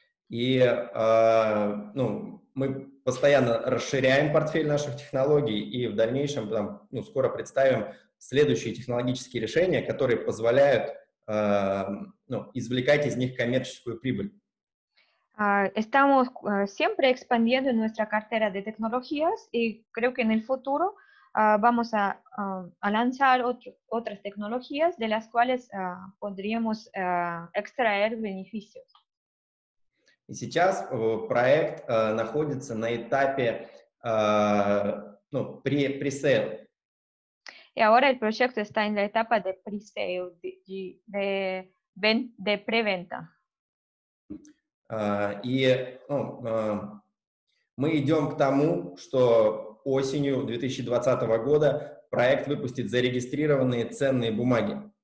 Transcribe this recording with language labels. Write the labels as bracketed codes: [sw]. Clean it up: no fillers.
[ru] Y ну, мы постоянно расширяем портфель наших технологий и в дальнейшем там, ну, скоро представим следующие технологические решения, которые позволяют ну, извлекать из них коммерческую прибыль. [es] Estamos siempre expandiendo nuestra cartera de tecnologías y creo que en el futuro vamos a lanzar otras tecnologías de las cuales podríamos extraer beneficios. [ru] Y сейчас проект находится на этапе ну, pre-sale. [es] Y ahora el proyecto está en la etapa de pre-sale, de pre-venta. [ru] И ну, мы идем к тому, что осенью 2020 года проект выпустит зарегистрированные ценные бумаги.